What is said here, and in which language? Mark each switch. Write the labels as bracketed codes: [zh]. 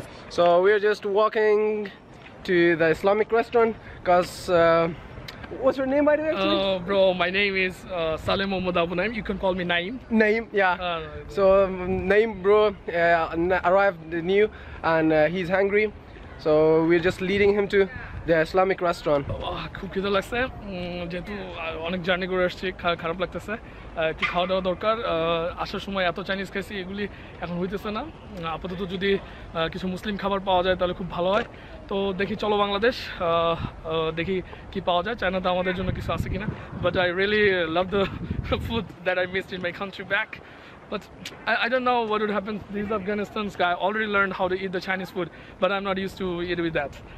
[en] So we are just walking to the Islamic restaurant because what's your name by the way actually? Bro, my name is Salim Muhammad Abu Naim. You can call me Naim. Naim, yeah. So Naim bro arrived new and he's hungry. So we're just leading him to the Islamic restaurant. [bn] খুব খিদে লাগছে যেহেতু অনেক journey করে আসছি খারাপ লাগতেছে একটু খাওয়া দাওয়া দরকার আসার সময় এত চাইনিজ খাইছি এগুলি এখন হইতেছে না আপাতত যদি কিছু মুসলিম খাবার পাওয়া যায় তাহলে খুব ভালো হয় তো দেখি চলো বাংলাদেশ দেখি কি পাওয়া যায় চায়নাতে আমাদের জন্য কিছু আছে কি না [en] But I really love the food that I missed in my country back But I don't know what would happen. This Afghanistan guy already learned how to eat the Chinese food, but I'm not used to eat with that.